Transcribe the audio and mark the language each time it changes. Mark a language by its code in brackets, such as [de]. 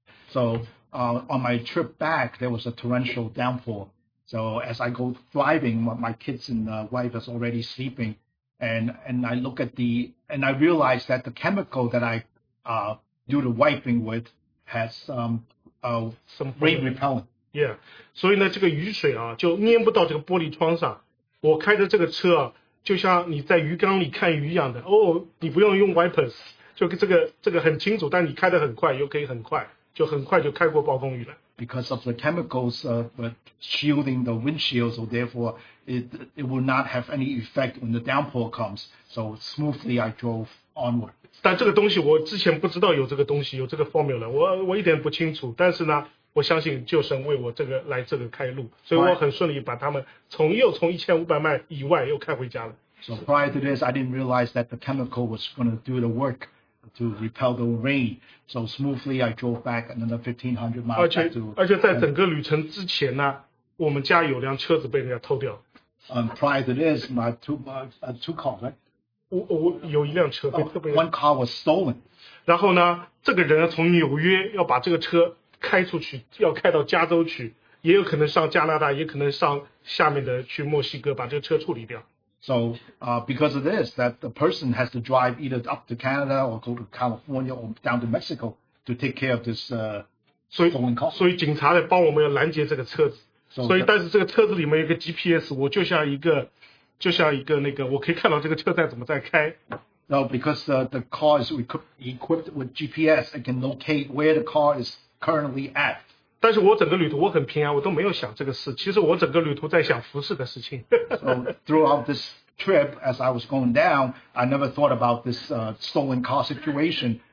[en] So, on my trip back, there was a torrential downpour. So as I go driving, my kids and wife is already sleeping, and I look at the and I realize that the chemical that I do the wiping with has some rain repellent. Yeah. [zh] 所以呢，这个雨水啊，就粘不到这个玻璃窗上。我开着这个车啊。就像你在鱼缸里看鱼一样的哦，你不用用 wipers， 就这个很清楚，但你开得很快，又可以很快，就很快就开过暴风雨了。 [en] Because of the chemicals shielding the windshield, so therefore it will not have any effect when the downpour comes. So smoothly I drove onward. [zh] 但这个东西我之前不知道有这个东西，有这个 formula， 我一点不清楚，但是呢。我相信救神为我这个来这个开路，所以我很顺利把他们从1500迈以外又开回家了。 [en] So prior to this, I didn't realize that the chemical was going to do the work to repel the rain. So smoothly, I drove back another 1500 miles. [zh] 而且在整个旅程之前呢，我们家有辆车子被人家偷掉。 [en] Prior to this, my two cars, right? [zh] 我有一辆车被特别。 [en] One car was stolen. [zh] 然后呢，这个人从纽约要把这个车。开出去要开到加州去，也有可能上加拿大，也可能上下面的去墨西哥，把这个车处理掉。 [en] So because of this, that the person has to drive either up to Canada or go to California or down to Mexico to take care of this stolen car. [zh] 所以警察来帮我们拦截这个车子。所以但是这个车子里面有个 GPS， 我就像一个，我可以看到这个车在怎么在开。 [en] No, because the car is equipped with GPS, it can locate where the car is currently at. [zh] 但是我整个旅途我很平安，我都没有想这个事。其实我整个旅途在想服事的事情。 [en] So throughout this trip, as I was going down, I never thought about this stolen car situation.